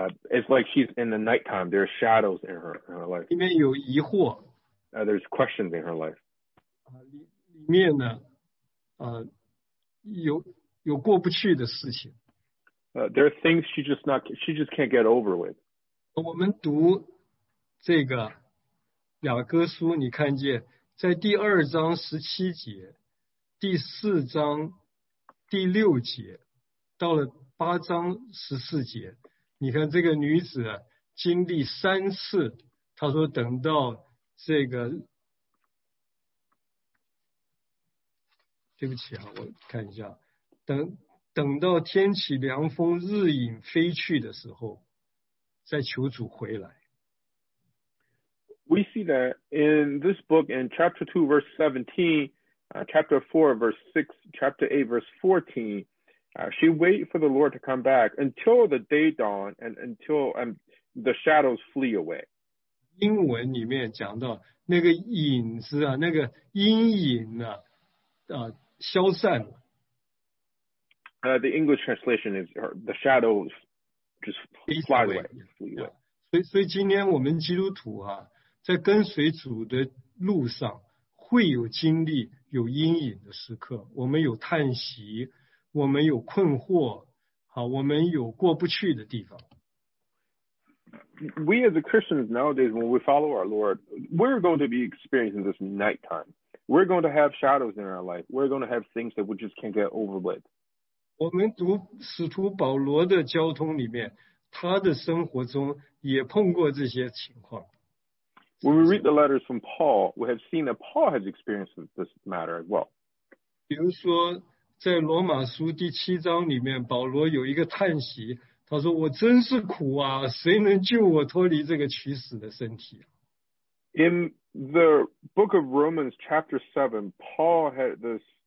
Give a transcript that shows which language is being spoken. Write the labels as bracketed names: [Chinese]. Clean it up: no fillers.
[English] It's like she's in the nighttime. There are shadows in her life. [Chinese] 里面有疑惑, [English] there's questions in her life. [Chinese] 里面呢, 有过不去的事情。 [English] There are things she just can't get over with. [Chinese] 我们读这个雅各书，你看见在第二章十七节、第四章第六节，到了八章十四节，你看这个女子经历三次，她说等到这个，对不起啊，我看一下，等到天起凉风日影飞去的时候再求主回来。 [English] We see that in this book in chapter 2 verse 17, chapter 4 verse 6, chapter 8 verse 14, she wait for the Lord to come back until the day dawn and until the shadows flee away. [Chinese] 英文里面讲到那个影子啊，那个阴影啊，消散了。 [English] The English translation is the shadows just fly away. Yeah. [Chinese] 所以今天我们基督徒啊，在跟随主的路上会有经历有阴影的时刻，我们有叹息，我们有困惑，好，我们有过不去的地方。 [English] We as a Christians nowadays, when we follow our Lord, we're going to be experiencing this nighttime. We're going to have shadows in our life. We're going to have things that we just can't get over with. [Chinese] 我们读使徒保罗的交通里面，他的生活中也碰过这些情况。 [English] When we read the letters from Paul, we have seen that Paul has experienced this matter as well. [Chinese] 比如说，在罗马书第七章里面，保罗有一个叹息，他说：“我真是苦啊，谁能救我脱离这个取死的身体？” [English] In the book of Romans, chapter 7, Paul had this.